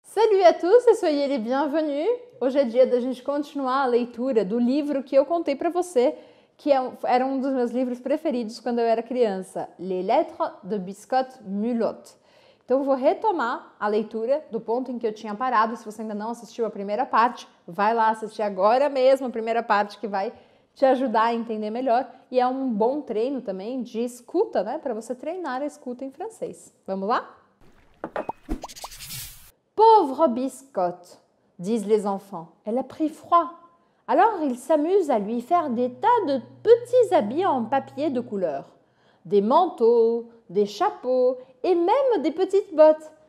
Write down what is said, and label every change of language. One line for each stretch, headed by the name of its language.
French: Salut à tous et soyez les bienvenus.
Portuguese: Hoje é dia da gente continuar a leitura do livro que eu contei para você, que era um dos meus livros preferidos quando eu era criança, Les Lettres de Biscotte Mulotte. Então eu vou retomar a leitura do ponto em que eu tinha parado. Se você ainda não assistiu a primeira parte, vai lá assistir agora mesmo a primeira parte que vai te ajudar a entender melhor. E é um bom treino também de escuta, né? Para você treinar a escuta em francês. Vamos lá?
French: Pauvre Biscotte, disent les enfants, elle a pris froid. Alors ils s'amusent à lui faire des tas de petits habits en papier de couleur. Des manteaux, des chapeaux et même des petites bottes.